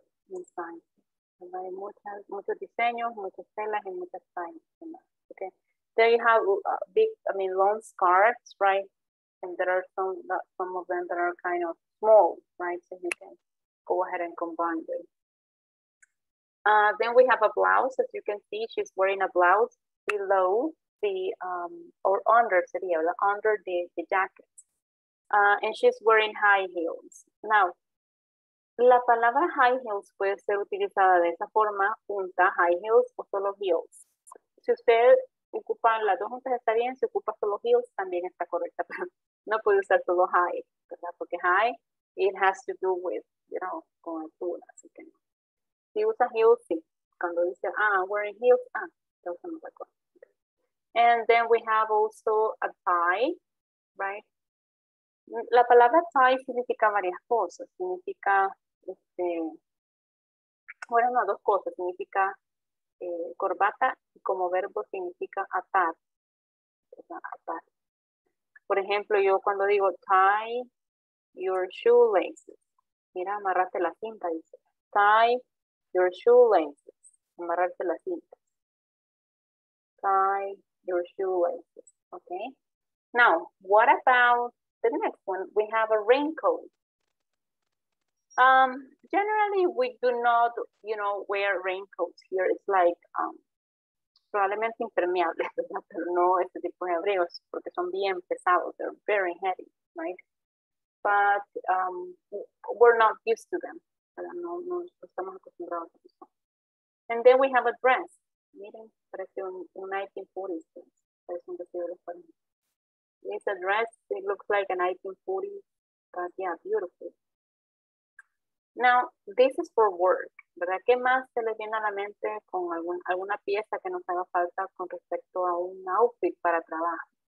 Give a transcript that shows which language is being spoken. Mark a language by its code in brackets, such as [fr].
[es] Designs, fabric, hay muchos diseños, muchas telas y muchas sizes. [en] Okay, there you have long scarves, right? And there are some of them that are kind of small, right? So you can go ahead and combine them. Then we have a blouse. As you can see, she's wearing a blouse below the under the jacket. And she's wearing high heels. [es] Now, la palabra high heels puede ser utilizada de esa forma, junta, high heels o solo heels. Si usted ocupa las dos juntas, está bien. Si ocupa solo heels, también está correcta. No puede usar solo high, ¿verdad? Porque high, [en] it has to do with, you know, [es] con altura. Así que no. Si usa heels, sí. Cuando dice, [en] I'm wearing heels, [es] está usando otra cosa. [en] And then we have also a tie, right? [es] La palabra tie significa varias cosas. Significa, dos cosas. Significa corbata y como verbo significa atar. O sea, atar. Por ejemplo, yo cuando digo [en] tie your shoelaces. [es] Mira, amarrarte la cinta, dice. [en] Tie your shoelaces. [es] Amarrarte la cinta. [en] Tie your shoelaces. Okay. Now, what about the next one? We have a raincoat. Generally, we do not, you know, wear raincoats here. It's like [es] probablemente impermeable, ¿verdad? Pero no este tipo de abrigos porque son bien pesados. [en] They're very heavy, right? But we're not used to them. [es] No estamos acostumbrados a eso. [en] And then we have a dress. [es] Miren, parece un 1940s dress. Parece un vestido de 40. [en] It's a dress, it looks like a 1940s, but yeah, beautiful. Now, this is for work, ¿verdad? [es] ¿Qué más se le viene a la mente con alguna pieza que nos haga falta con respecto a un outfit para trabajo?